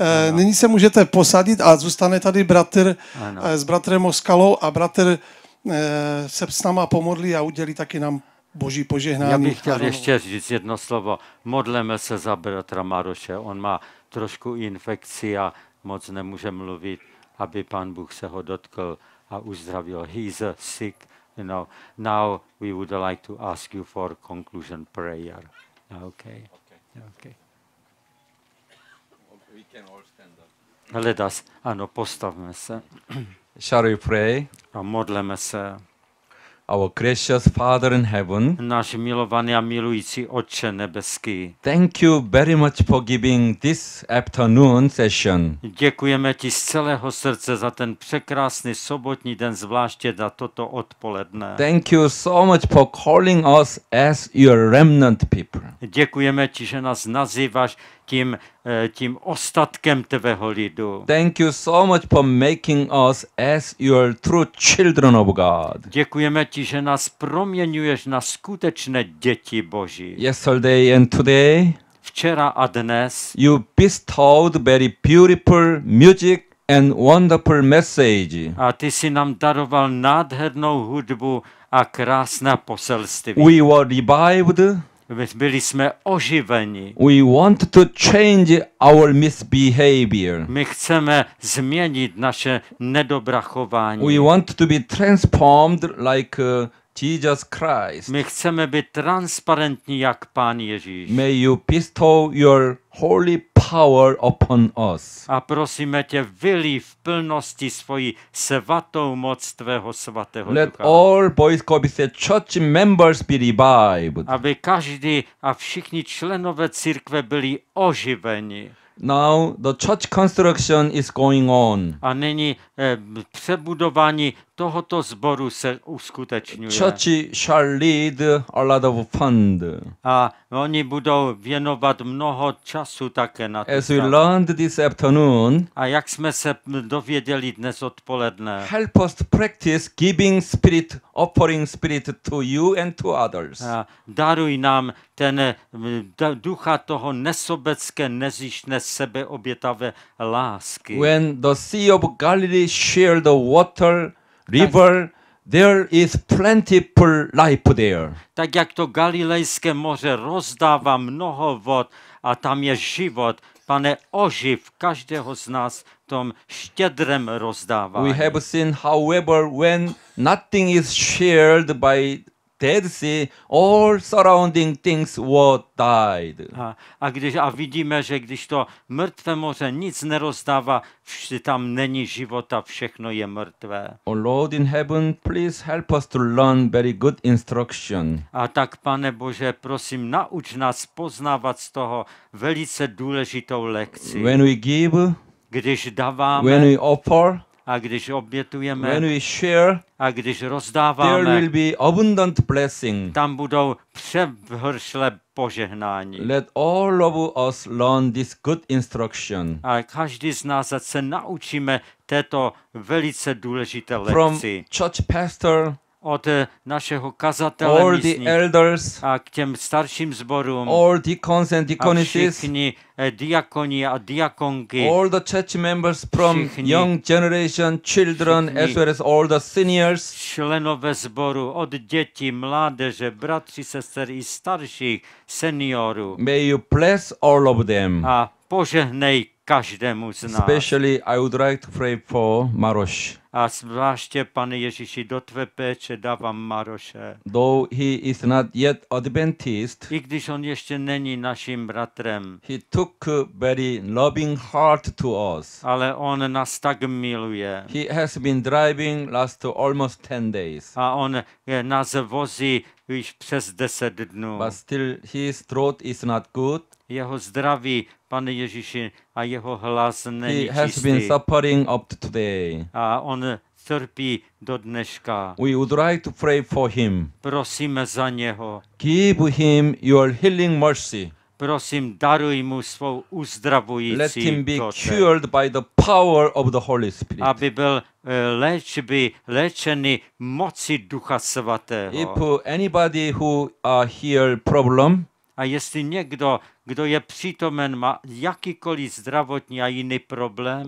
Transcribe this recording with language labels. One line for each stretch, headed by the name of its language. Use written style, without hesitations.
Czech: Nyní se můžete posadit a zůstane tady bratr s bratrem Moskalou a bratr se s náma pomodlí a udělí taky nám boží požehnání. Já bych chtěl ještě říct jedno slovo. Modleme se za bratra Maroše. On má trošku infekci a moc nemůže mluvit, aby pán Bůh se ho dotkl a uzdravil.
English: He's sick, you know. Now we would like to ask you for conclusion prayer. Okay. We can all stand up. Let us,
Czech: ano, postavme se.
English: Shall we pray?
Czech: A modleme se.
English: Our gracious Father in heaven.
Czech: Náš milovaný a milující Otče nebeský.
English: Thank you very much for giving this afternoon session.
Czech: Děkujeme ti z celého srdce za ten překrásný sobotní den, zvláště za toto odpoledne.
English: Thank you so much for calling us as your remnant people.
Czech: Děkujeme ti, že nás nazýváš tím ostatkem tvého lidu.
English: Thank you so much for making us as your true children of God.
Czech: Děkujeme ti, že nás proměňuješ na skutečné děti Boží.
English: Yesterday and today.
Czech: Včera a dnes.
English: You bestowed very beautiful music and wonderful message.
Czech: A ty jsi nám daroval nádhernou hudbu a krásné poselství.
English: We were revived.
Czech: Byli jsme oživeni.
English: We want to change our misbehavior.
Czech: My chceme změnit naše nedobrá chování.
English: We want to be transformed like Jesus Christ.
Czech: My chceme být transparentní jak Pán Ježíš.
English: May you bestow your holy power upon us.
Czech: A prosíme tě, vylij v plnosti svoji svatou moc tvého svatého
English: Let
Czech: ducha.
English: All Bojkovice church members be revived.
Czech: Aby každý a všichni členové církve byli oživeni.
English: Now the church construction is going on.
Czech: A nyní přebudování tohoto sboru se uskutečňuje.
English: Church shall lead a lot of fund.
Czech: A oni budou věnovat mnoho času také na to.
English: As we learned this afternoon.
Czech: A jak jsme se dověděli dnes odpoledne.
English: Help us practice giving spirit, offering spirit to you and to others.
Czech: A daruj nám ten ducha toho nesobecké, nezištné, sebeobětavé lásky.
English: When the Sea of Galilee shared the water River, there is plentiful life there.
Czech: Tak jak to Galilejské moře rozdává mnoho vod a tam je život, Pane, oživ každého z nás tom štědrem rozdává.
English: We have seen, however, when nothing is shared by Dead Sea, all surrounding things were died.
Czech: A vidíme, že když to mrtvé moře nic nerozdává, tam není života, všechno je mrtvé.
English: O Lord in heaven, please help us to learn very good instruction.
Czech: A tak, Pane Bože, prosím, nauč nás poznávat z toho velice důležitou lekci.
English: When we give,
Czech: když dáváme,
English: when we offer,
Czech: a když obětujeme,
English: when we share,
Czech: a když rozdáváme,
English: there will be abundant blessing.
Czech: Tam budou přehršle požehnání.
English: Let all of us learn this good instruction.
Czech: A každý z nás se naučíme této velice důležité lekci.
English: From church pastor,
Czech: od našeho kazatele
English: all the elders,
Czech: a k těm starším zborům,
English: all deacons and deaconesses,
Czech: a všichni diakoni a diakonky,
English: all the church members from
Czech: všichni,
English: young generation, children, as well as all the seniors,
Czech: členové zboru, od dětí, mládeže, bratři, sestry i starších seniorů.
English: May you bless all of them.
Czech: A požehnej každému z nás.
English: Especially I would like to pray for Maroš.
Czech: A zvláště, Pane Ježíši, do tvé péče dávám Maroše.
English: Though he is not yet Adventist,
Czech: i když on ještě není naším bratrem,
English: he took a very loving heart to us.
Czech: Ale on nás tak miluje.
English: He has been driving last almost 10 days.
Czech: A on nás vozí už přes 10 dnů.
English: But still his throat is not good.
Czech: Jeho zdraví, Pane Ježíši, a jeho hlas není čistý.
English: He has been suffering up to today.
Czech: A on trpí do dneška.
English: We would like to pray for him.
Czech: Prosíme za něho.
English: Give him your healing mercy.
Czech: Prosím, daruj mu svou uzdravující.
English: Let him be cured by the power of the Holy Spirit.
Czech: Aby byl léčený mocí Ducha Svatého.
English: If anybody who here problem.
Czech: A jestli někdo, kdo je přítomen, má jakýkoliv zdravotní a jiný problém.